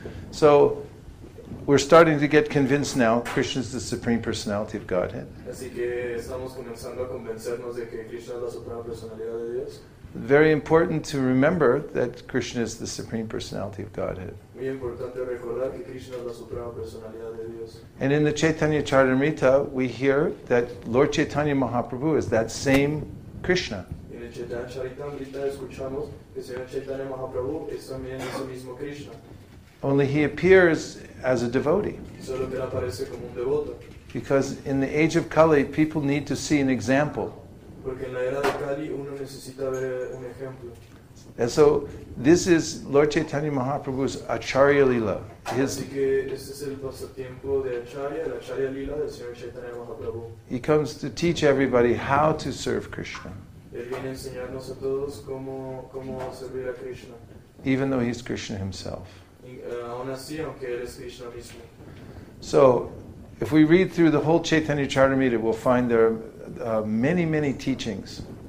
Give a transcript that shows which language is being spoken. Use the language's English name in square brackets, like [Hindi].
[English] So, we're starting to get convinced now Krishna is the Supreme Personality of Godhead. [Spanish] Así que estamos comenzando a convencernos de que Krishna es la Suprema Personalidad de Dios. [English] Very important to remember that Krishna is the Supreme Personality of Godhead. [Spanish] Muy importante recordar que Krishna es la suprema personalidad de Dios. [English] And in the Chaitanya Charitamrita, we hear that Lord Chaitanya Mahaprabhu is that same Krishna. [Spanish] En el Chaitanya Charitamrita escuchamos que el Señor Chaitanya Mahaprabhu es también ese mismo Krishna. [English] Only he appears as a devotee. [Spanish] Solo que él aparece como un devoto. [English] Because in the age of Kali, people need to see an example. [Spanish] Porque en la era de Kali uno necesita ver un ejemplo. [English] And so this is Lord Chaitanya Mahaprabhu's Acharya Lila. [Spanish] Así que este es el pasatiempo de Acharya, la Acharya Lila del Señor Chaitanya Mahaprabhu. [English] He comes to teach everybody how to serve Krishna. [Spanish] Él viene a enseñarnos a todos cómo servir a Krishna. [English] Even though he's Krishna himself. [Spanish] Aun así, aunque él es Krishna mismo. [English] So if we read through the whole Chaitanya Charitamrita, we'll find there are many, many teachings.